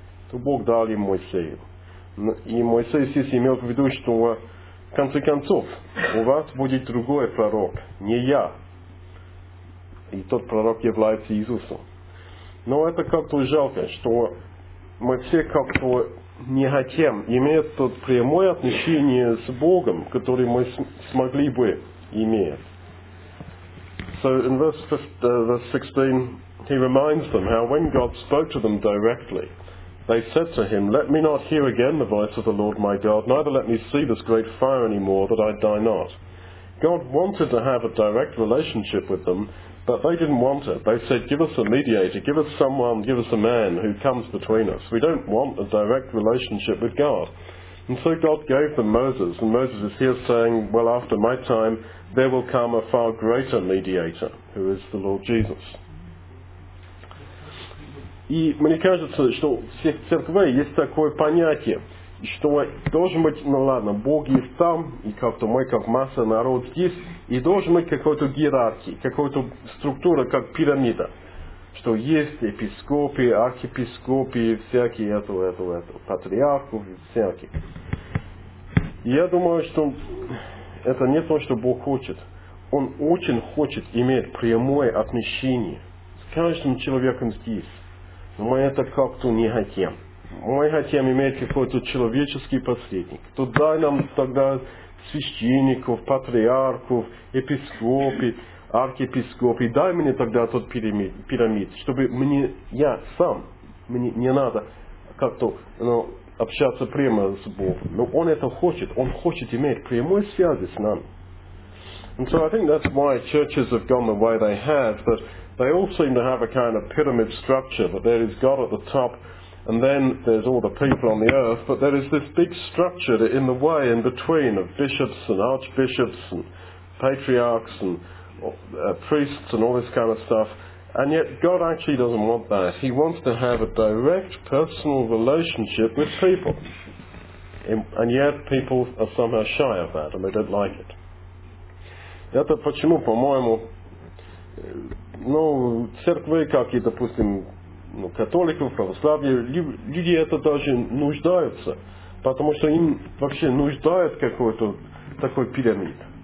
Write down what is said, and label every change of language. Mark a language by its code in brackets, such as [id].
[ru] То Бог дал им Моисею. И Моисей здесь имел в виду, что в конце концов у вас будет другой пророк, не я. И тот пророк является Иисусом. Но это как-то жалко, что мы все как-то не хотим иметь то прямое отношение с Богом, которое мы смогли бы иметь. [en] So in verse 16, he reminds them how when God spoke to them directly, they said to him, let me not hear again the voice of the Lord my God, neither let me see this great fire anymore, that I die not. God wanted to have a direct relationship with them, but they didn't want it. They said, give us a mediator, give us someone, give us a man who comes between us. We don't want a direct relationship with God. And so God gave them Moses, and Moses is here saying, well, after my time, there will come a far greater mediator, who is the Lord Jesus. [ru] И мне кажется, что в церкви есть такое понятие, что должен быть, ну ладно, Бог есть там, и как-то мы, как масса народ здесь, и должен быть какой-то иерархии, какой-то структура, как пирамида, что есть епископы, архиепископы, всякие это, патриархов, всякие. Я думаю, что это не то, что Бог хочет. Он очень хочет иметь прямое отношение с каждым человеком здесь. Но мы это как-то не хотим. Мы хотим иметь какой-то человеческий посредник. То дай нам тогда священников, патриархов, епископы, архиепископы. Дай мне тогда тот пирамид, чтобы мне, я сам, мне не надо как-то, ну, общаться прямо с Богом. Но он это хочет. Он хочет иметь прямой связи с нами. [en] And so I think that's why churches have gone the way they have, that they all seem to have a kind of pyramid structure, that there is God at the top, and then there's all the people on the earth, but there is this big structure in the way, in between, of bishops and archbishops and patriarchs and priests and all this kind of stuff. And yet God actually doesn't want that. He wants to have a direct personal relationship with people. And yet people are somehow shy of that and they don't like it. [ru] Это почему, по-моему, ну, церкви, как и, допустим, ну, католиков, православие, люди это даже нуждаются. Потому что им вообще нуждают какой-то такой пирамид.